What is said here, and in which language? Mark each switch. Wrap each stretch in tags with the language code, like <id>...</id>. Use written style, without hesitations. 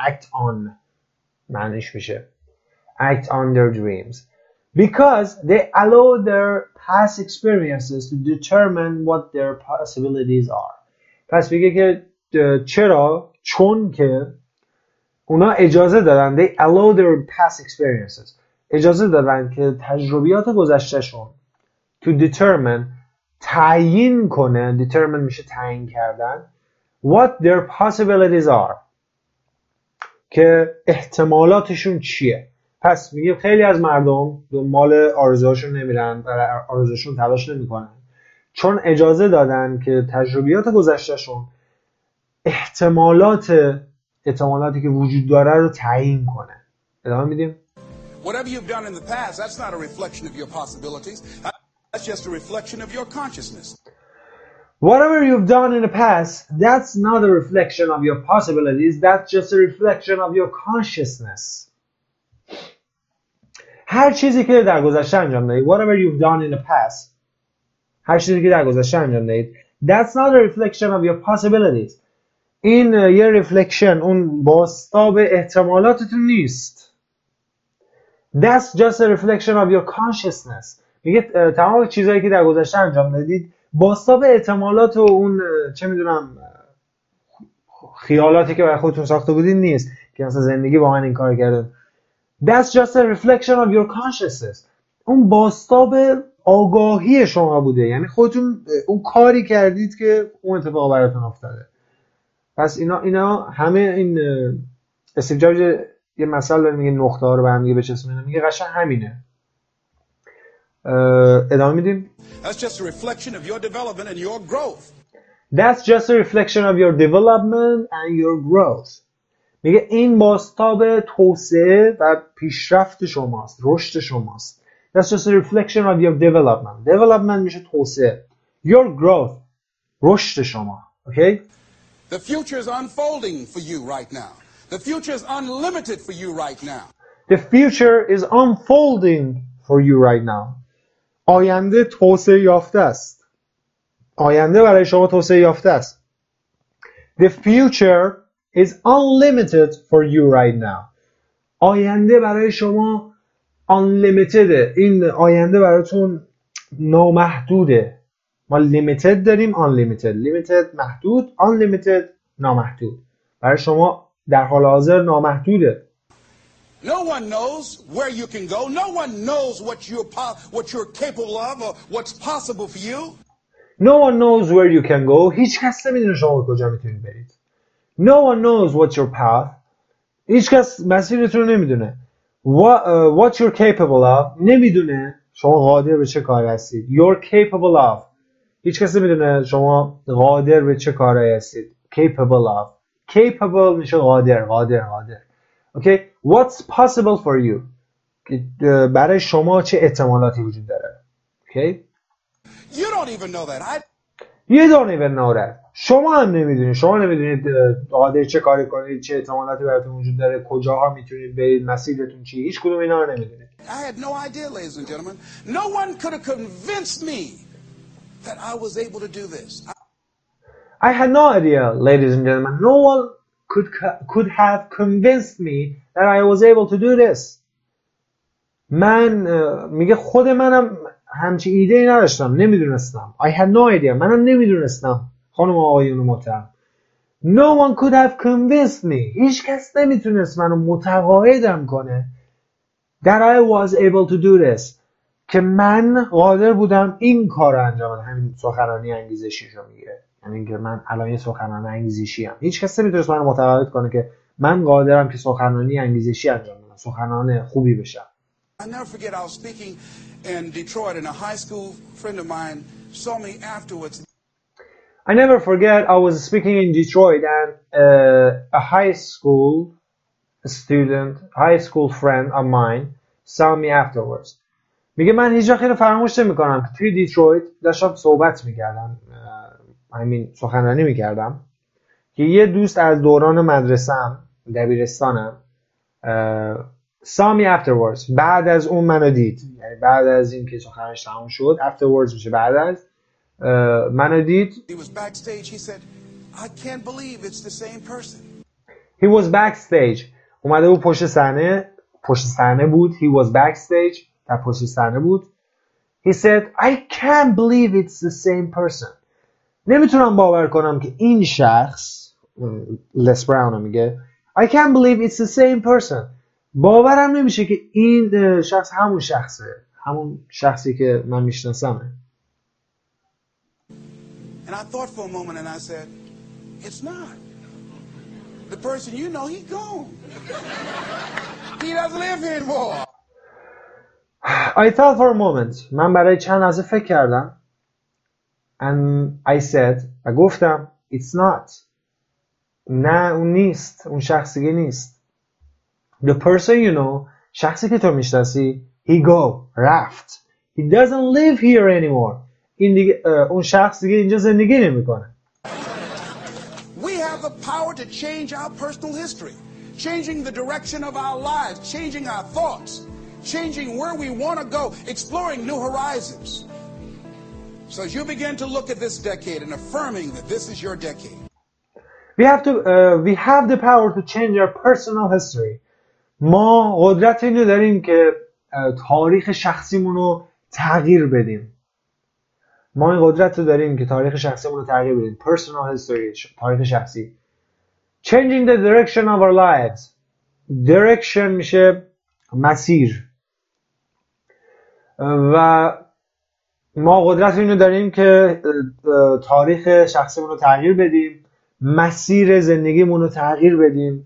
<en>act on</en> <fa>معنیش میشه</fa> <en>act on their dreams because they allow their past experiences to determine what their possibilities are.</en> <fa>پس میگه که چرا؟ چون که اونا اجازه دادن،</fa> <en>they allow their past experiences،</en> <fa>اجازه دادن که تجربیات گذشتهشون</fa> <en>to determine،</en> <fa>تعیین کنه، determine میشه تعیین کردن،</fa> <en>what their possibilities are،</en> <fa>که احتمالاتشون چیه. پس میگه خیلی از مردم دنبال آرزوهاشون نمیرن، آرزوهاشون تلاش نمی کنن، چون اجازه دادن که تجربیات گذشتهشون احتمالاتی که وجود داره رو تعیین کنه. ادامه میدیم.</fa> <en>Whatever you've done in the past, that's not a reflection of your possibilities. That's just a reflection of your consciousness. Whatever you've done in the past, that's not a reflection of your possibilities. That's just a reflection of your consciousness.</en> <fa>هر چیزی که در گذشته انجام دادید،</fa> <en>whatever you've done in the past،</en> <fa>هر چیزی که در گذشته انجام دادید،</fa> <en>that's not a reflection of your possibilities.</en> <fa>این یه reflection، اون بازتاب احتمالاتتون نیست.</fa> <en>That's just a reflection of your consciousness.</en> <fa>میگه تمام چیزایی که در گذشته انجام دادید، بازتاب احتمالات و اون چه میدونم خیالاتی که برای خودتون ساخته بودین نیست که مثلا زندگی با من این کار کرده.</fa> <en>That's just a reflection of your consciousness.</en> <fa>اون باستاب آگاهی شما بوده، یعنی خودتون اون کاری کردید که اون اتفاق براتون افتاده. پس اینا همه این استیو جابز یه مثال داره میگه، نقطه ها رو به هم دیگه بچسبونه، میگه قشن همینه. ادامه میدیم.</fa> <en>That's just a reflection of your development and your growth. That's just a reflection of your development and your growth.</en> <fa>میگه این باستاب توسعه و پیشرفت شماست، رشد شماست.</fa> <en>That's just a reflection of your development.</en> <fa>Development میشه توسعه.</fa> <en>Your growth.</en> <fa>رشد شما.</fa> <en>Okay? The future is unfolding for you right now. The future is unlimited for you right now. The future is unfolding for you right now.</en> <fa>آینده توسعه یافته است. آینده برای شما توسعه یافته است.</fa> <en>The future is unlimited for you right now.</en> <fa>آینده برای شما unlimited. این آینده براتون نامحدوده. ما limited داریم unlimited. Limited محدود. Unlimited نامحدود. برای شما در حال حاضر نامحدوده.</fa> <en>No one knows where you can go. No one knows what you're capable of or what's possible for you. No one knows where you can go.</en> <fa>هیچ کس نمیدونه شما کجا میتونید برید.</fa> <en>No one knows what's your path.</en> <fa>هیچ کس مسیرتون نمیدونه.</fa> <en>What you're capable of.</en> <fa>نمیدونه شما قادر به چه کاری هستید.</fa> <en>You're capable of.</en> <fa>هیچ کس نمیدونه شما قادر به چه کاری هستید.</fa> <en>Capable of.</en> <fa>Capable میشه قادر. قادر. قادر.</fa> <en>Okay. What's possible for you.</en> <fa>برای شما چه احتمالاتی وجود داره.</fa> <en>Okay. You don't even know that. You don't even know that.</en> <fa>شما هم نمیدونید. شما نمیدونید قادر چه کاری کنید، چه احتمالاتی براتون وجود داره، کجاها میتونید برید، مسیرتون چیه. هیچ کدوم اینا رو نمیدونید.</fa> <en>I had no idea, ladies and gentlemen. No one could have convinced me that I was able to do this. I had no idea, ladies and gentlemen. No one could have convinced me that I was able to do this.</en> <fa>من میگه خود منم همچی ایده نداشتم، نمیدونستم.</fa> <en>I had no idea.</en> <fa>منم نمیدونستم. خانم و آقایون محترم.</fa> <en>No one could have convinced me.</en> <fa>هیچ کس نمیتونست منو متقاعدم کنه.</fa> <en>That I was able to do this.</en> <fa>که من قادر بودم این کار رو انجام بدم. همین سخنرانی انگیزشی رو میگه. یعنی که من الان یه سخنران انگیزشی هم. هیچ کس نمیتونست منو متقاعد کنه که من قادرم که سخنرانی انگیزشی انجام بدم. سخنران خوبی بشم.</fa> <en>I never forget I was speaking in Detroit and a high school friend of mine saw me afterwards. I never forget I was speaking in Detroit and a high school student, high school friend of mine saw me afterwards.</en> <fa>میگه من هیچ وقت اینو فراموش نمی‌کنم که توی دیترویت داشتم صحبت می‌کردم. سخنرانی می‌کردم که یه دوست از دوران مدرسه‌ام، دبیرستانم</fa> <en>saw me afterwards.</en> <fa>بعد از اون منو دید. یعنی بعد از این که سخنش تموم شد، afterwards میشه بعد از، منو دید.</fa> <en>He was backstage. He said, I can't believe it's the same person. He was backstage.</en> <fa>اومده بود پشت صحنه. پشت صحنه بود. He was backstage. در پشت صحنه بود.</fa> <en>He said, I can't believe it's the same person.</en> <fa>نمیتونم باور کنم که این شخص،</fa> <en>Les Brown</en> <fa>میگه،</fa> <en>I can't believe it's the same person.</en> <fa>باورم نمیشه که این شخص همون شخصه، همون شخصی که من میشناسمه.</fa> <en>And I thought for a moment and I said, it's not. The person you know, he's gone. He doesn't live anymore. I thought for a moment.</en> <fa>من برای چند لحظه فکر کردم.</fa> <en>And I said,</en> <fa>و گفتم,</fa> <en>it's not.</en> <fa>نه اون نیست. اون شخصی که نیست.</fa> <en>The person you know,</en> <fa>شخصی که تو میشناسی,</fa> <en>he go,</en> <fa>رفت.</fa> <en>He doesn't live here anymore.</en> <fa>این دیگه اون شخص دیگه اینجا زندگی نمیکنه.</fa> <en>We have the power to change our personal history, changing the direction of our lives, changing our thoughts, changing where we want to go, exploring new horizons. So as you begin to look at this decade and affirming that this is your decade. We have the power to change our personal history.</en> <fa>ما قدرت اینو داریم که تاریخ شخصیمون رو تغییر بدیم. ما این قدرت رو داریم که تاریخ شخصیمون رو تغییر بدیم.</fa> <en>Personal history،</en> <fa>تاریخ شخصی.</fa> <en>Changing the direction of our lives.</en> <fa>Direction میشه مسیر. و ما قدرت اینو داریم که تاریخ شخصیمون رو تغییر بدیم. مسیر زندگیمون رو تغییر بدیم.</fa>